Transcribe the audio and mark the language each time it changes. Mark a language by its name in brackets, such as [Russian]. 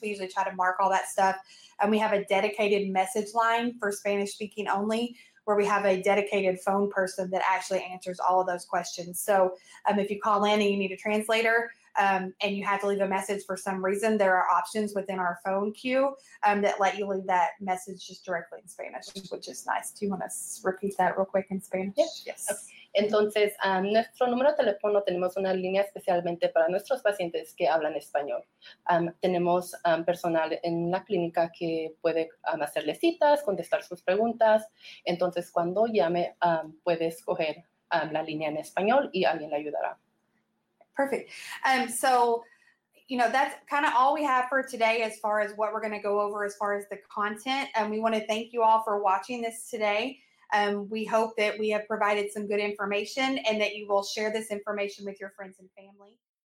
[English] We usually try to mark all that stuff. And we have a dedicated message line for Spanish speaking only, where we have a dedicated phone person that actually answers all of those questions. So if you call in and you need a translator and you have to leave a message for some reason, there are options within our phone queue that let you leave that message just directly in Spanish, which is nice. Do you want to repeat that real quick in Spanish? Yeah. Yes. Okay. [Spanish] Entonces, nuestro número de teléfono, tenemos una línea especialmente para nuestros pacientes que hablan español. Tenemos personal en la clínica que puede hacerle citas, contestar sus preguntas. Entonces, cuando llame, puede escoger la línea en español y alguien le ayudará. [English] Perfect. So, you know, that's kind of all we have for today as far as what we're going to go over as far as the content. And we want to thank you all for watching this today. We hope that we have provided some good information and that you will share this information with your friends and family.